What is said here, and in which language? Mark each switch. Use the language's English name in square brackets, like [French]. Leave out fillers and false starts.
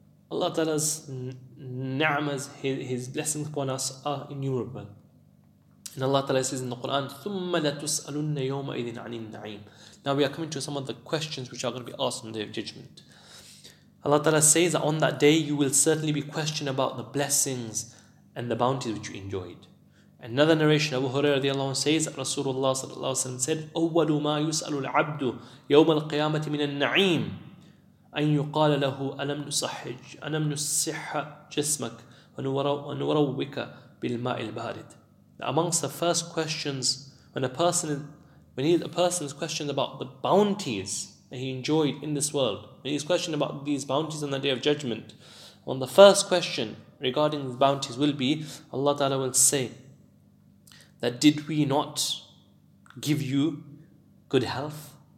[English] Allah ta'ala's ni'mas, his blessings upon us are innumerable. And Allah ta'ala says in the Quran, [Arabic] ثُمَّ لَتُسْأَلُنَّ يَوْمَئِذٍ عَنِ النَّعِيمِ. [English] Now we are coming to some of the questions which are going to be asked on the Day of Judgment. Allah ta'ala says that on that day, you will certainly be questioned about the blessings and the bounties which you enjoyed. Another narration, Abu Hurairah radiallahu anhu says that Rasulullah sallallahu alaihi wasallam said, [Arabic] أَوَّلُ مَا يُسْأَلُ الْعَبْدُ يَوْمَ الْقِيَامَةِ مِنَ النَّعِيمِ أَنْ يُقَالَ لَهُ أَلَمْ نُصَحِّجْ أَلَمْ نُصِحَّ جِسْمَكَ وَنُرَوِّكَ بِالْمَاءِ الْبَارِدِ. [English] Now amongst the first questions, when a person is questioned about the bounties that he enjoyed in this world, when he's questioned about these bounties on the Day of Judgment, on the first question regarding the bounties will be, Allah Ta'ala will say that, did we not give you good health?